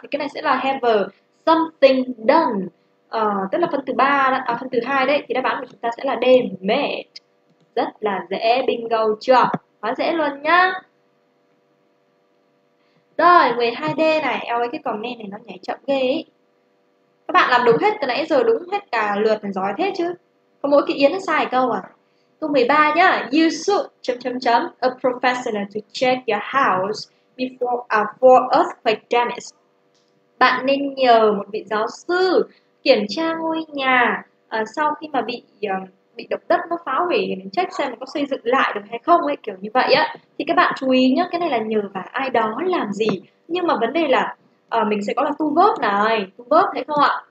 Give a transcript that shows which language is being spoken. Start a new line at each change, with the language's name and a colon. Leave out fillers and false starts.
Vietnamese: Thì cái này sẽ là
English: have a something done.
Vietnamese: Tức là phân từ 3, phân từ 2 đấy, thì đáp án của chúng ta sẽ là D, made. Rất là dễ, bingo chưa? Quá dễ luôn nhá. Rồi, 12D này, eo ơi cái comment này nó nhảy chậm ghê ấy. Các bạn làm đúng hết từ nãy giờ, đúng hết cả lượt là giỏi thế chứ. Có mỗi cái Yến nó sai câu à. Câu 13 nhá,
English: you should
Vietnamese: chấm chấm chấm
English: a professional to check your house before for earthquake damage.
Vietnamese: Bạn nên nhờ một vị giáo sư kiểm tra ngôi nhà sau khi mà bị động đất nó phá hủy, check xem nó có xây dựng lại được hay không ấy, kiểu như vậy á. Thì các bạn chú ý nhá, cái này là nhờ vả ai đó làm gì. Nhưng mà vấn đề là mình sẽ có là to verb này, to verb thấy không ạ?